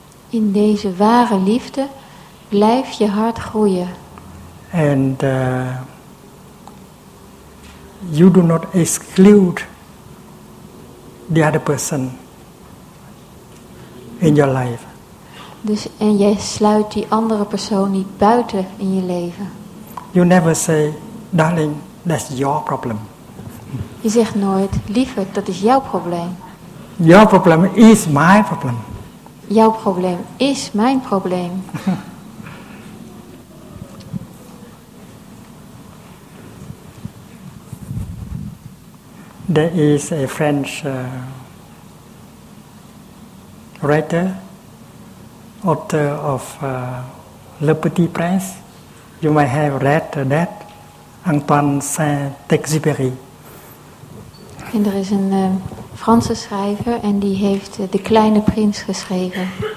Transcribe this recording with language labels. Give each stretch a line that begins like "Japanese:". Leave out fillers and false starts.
Dutch: In deze ware liefde blijft je hart groeien.
English: And you do not exclude the other person in your life.
Dutch: Dus en jij sluit die andere persoon niet buiten in je leven.
English: You never say, darling, that's your problem.
Dutch: Je zegt nooit, lieverd, dat is jouw probleem.
English: Your problem is my problem.
Dutch: Jouw probleem is mijn probleem.
English: There is a French writer, author of Le Petit Prince. You might have read that, Antoine Saint-Exupéry.
Dutch: En er is een Franse schrijver en die heeft De Kleine Prins geschreven.